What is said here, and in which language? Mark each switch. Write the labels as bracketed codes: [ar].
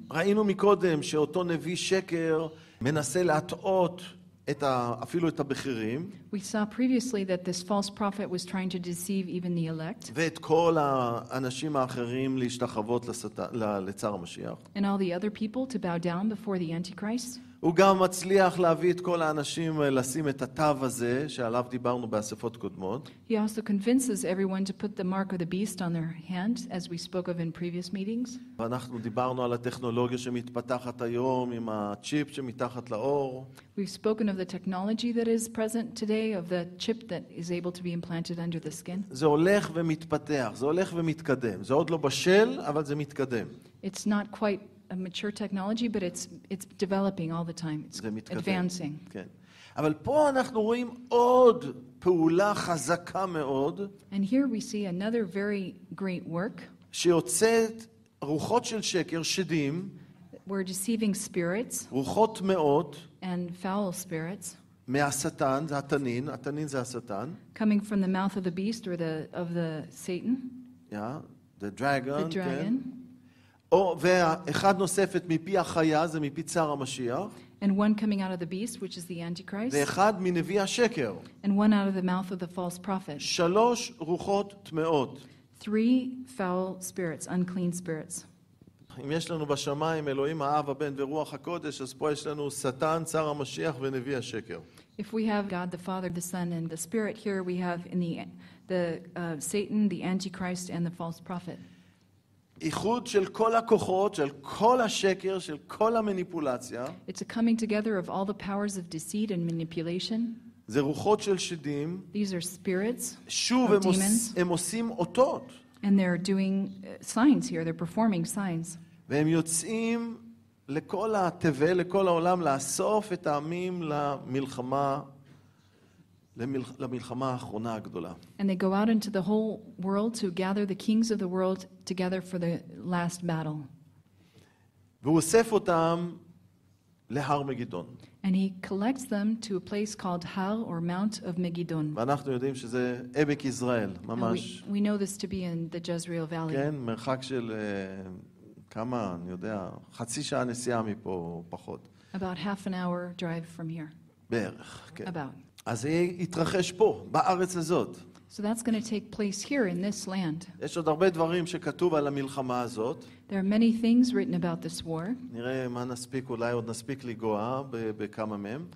[he] ראינו מקודם שאותו נביא שקר מנסה להטעות את אפילו את הבכירים. [en] We saw previously that this false prophet was trying to deceive even the elect. [he] ואת כל האנשים האחרים להשתחוות לצר המשיח. [en] And all the other people to bow down before the Antichrist. [he] הוא גם מצליח להביא את כל האנשים לשים את התו הזה שעליו דיברנו באספות קודמות. [en] He also convinces everyone to put the mark of the beast on their hand as we spoke of in previous meetings. [he] ואנחנו דיברנו על הטכנולוגיה שמתפתחת היום עם הצ'יפ שמתחת לאור. [en] We've spoken of the technology that is present today of the chip that is able to be implanted under the skin. [he] זה הולך ומתפתח, זה הולך ומתקדם. זה עוד לא בשל, אבל זה מתקדם. [en] It's not quite a mature technology but it's developing all the time, it's advancing. [he] כן, אבל פה אנחנו רואים עוד פעולה חזקה מאוד. [en] And here we see another very great work. [he] שיוצאת רוחות של שקר, שדים, [en] we're deceiving spirits, [he] רוחות מאות, [en] and foul spirits, [he] מהשטן, זה התנין, התנין זה השטן, [en] coming from the mouth of the beast or of the Satan. Yeah, the dragon. The dragon. [he] כן. או ואחד נוספת מפי החיה, זה מפי צר המשיח. [en] And one coming out of the beast, which is the Antichrist. [he] ואחד מנביא השקר. [en] And one out of the mouth of the false prophet. [he] שלוש רוחות טמאות. [en] Three foul spirits, unclean spirits. [he] אם יש לנו בשמיים אלוהים האב הבן ורוח הקודש, אז פה יש לנו שטן, צר המשיח ונביא השקר. [en] If we have God the Father, the Son and the Spirit, here we have in the Satan, the Antichrist and the false prophet. [he] איחוד של כל הכוחות, של כל השקר, של כל המניפולציה. [en] It's a coming together of all the powers of deceit and manipulation. [he] זה רוחות של שדים. [en] These are spirits. [he] שוב הם עושים אותות. [en] And they're doing signs here, they're performing signs. [he] והם יוצאים לכל התבל, לכל העולם, לאסוף את העמים למלחמה, למלחמה האחרונה הגדולה. [en] And they go out into the whole world to gather the kings of the world together for the last battle. [he] והוא אוסף אותם להר מגידון. [en] And he collects them to a place called Har or Mount of Megiddon. [he] ואנחנו יודעים שזה עמק יזרעאל, ממש. [en] We know this to be in the Jezreel Valley. [he] כן, מרחק של כמה, אני יודע, חצי שעה נסיעה מפה, פחות. [en] About half an hour drive from here. [he] בערך, כן. [en] About. [he] אז זה יתרחש פה, בארץ הזאת. [en] So that's going to take place here in this land. [he] יש עוד הרבה דברים שכתוב על המלחמה הזאת. [en] There are many things written about this war. [he] נראה מה נספיק, אולי עוד נספיק לגוע בכמה מהם.